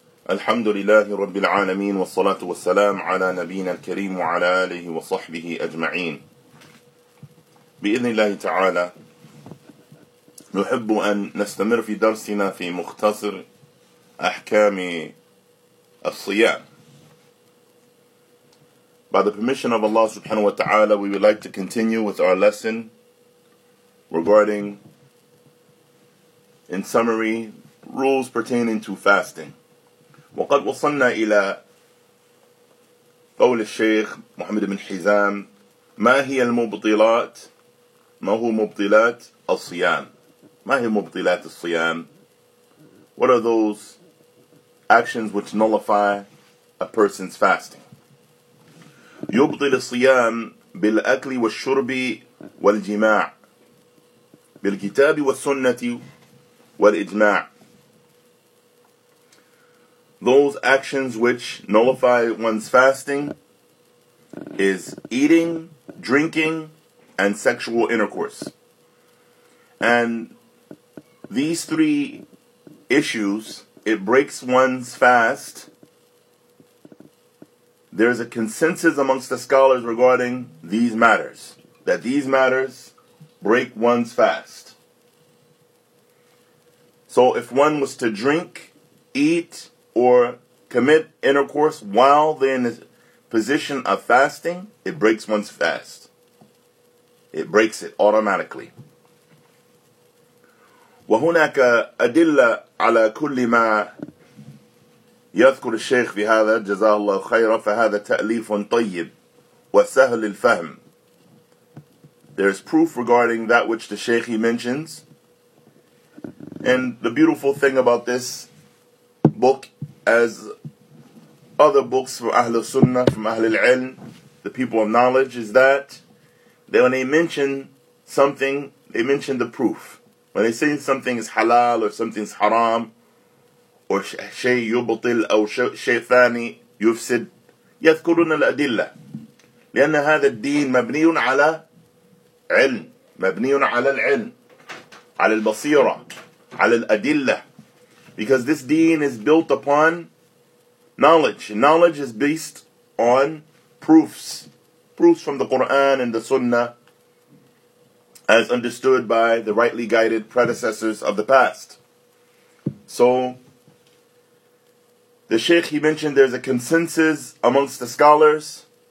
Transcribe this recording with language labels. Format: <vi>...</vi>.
<ar>الحمد لله رب العالمين، والصلاة والسلام على نبينا الكريم وعلى آله وصحبه أجمعين. بإذن الله تعالى نحب أن نستمر في درسنا في مختصر أحكام الصيام.</ar> <en>By the permission of Allah subhanahu wa ta'ala, we would like to continue with our lesson regarding, in summary, rules pertaining to fasting.</en> <ar>وَقَدْ وَصَلْنَا إِلَىٰ قَوْلِ الشَّيْخ مُحَمَّدِ بْنِ حِزَامِ مَا هِيَ الْمُبْطِلَاتِ مَا هُوَ مُبْطِلَاتِ الصِّيَامِ مَا هِيَ مُبْطِلَاتِ الصِّيَامِ</ar> <en>What are those actions which nullify a person's fasting?</en> <ar>يُبْطِلِ الصِّيَامِ بِالْأَكْلِ وَالشُّرْبِ وَالْجِمَاعِ بِالْكِتَابِ وَالسُّنَّةِ وَالْإِجْمَاعِ</ar> <en>Those actions which nullify one's fasting is eating, drinking, and sexual intercourse. And these three issues, it breaks one's fast. There's a consensus amongst the scholars regarding these matters, that these matters break one's fast. So if one was to drink, eat, or commit intercourse while they're in the position of fasting, it breaks one's fast. It breaks it automatically.</en> <ar>وهناك أدلة على كل ما يذكر الشيخ في هذا جزاه الله خيرا فهذا تأليف طيب وسهل الفهم.</ar> <en>There's proof regarding that which the Shaykh he mentions. And the beautiful thing about this book, as other books from Ahl al-Sunnah, from Ahl al-Ilm, the people of knowledge, is that they, when they mention something, they mention the proof. When they say something is halal or something is haram, or</en> <ar>شيء يبطل أو شيء ثاني يفسد, يذكرون الأدلة. لأن هذا الدين مبني على علم, مبني على العلم, على البصيرة, على الأدلة.</ar> <en>Because this deen is built upon knowledge. Knowledge is based on proofs. Proofs from the Qur'an and the Sunnah as understood by the rightly guided predecessors of the past. So, the Shaykh, he mentioned there's a consensus amongst the scholars.</en>